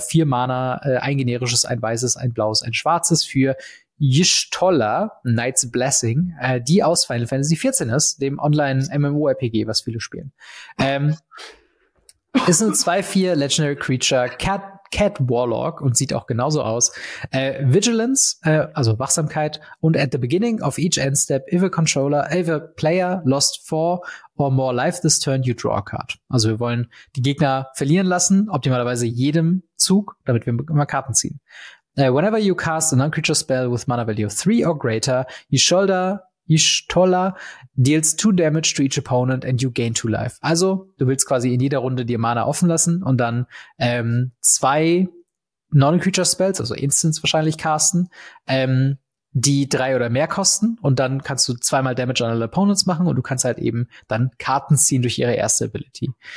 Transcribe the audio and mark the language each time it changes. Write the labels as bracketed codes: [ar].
[de] 4 Mana, ein generisches, ein weißes, ein blaues, ein schwarzes für Yshtola, Knight's Blessing, die aus Final Fantasy 14 ist, dem Online-MMORPG, was viele spielen. Ist ein 2-4 Legendary Creature, Cat Warlock und sieht auch genauso aus. [en] Vigilance, [de] also Wachsamkeit, und [en] at the beginning of each end step, if a player lost 4 or more life this turn, you draw a card. [de] Also wir wollen die Gegner verlieren lassen, optimalerweise jedem Zug, damit wir immer Karten ziehen. [en] Whenever you cast a non-creature spell with mana value of 3 or greater, Yshtola deals 2 damage to each opponent and you gain 2 life. [de] Also, du willst quasi in jeder Runde dir Mana offen lassen und dann 2 non-creature spells, also Instants wahrscheinlich casten, die 3 oder mehr kosten und dann kannst du 2x damage an alle opponents machen und du kannst halt eben dann Karten ziehen durch ihre erste Ability.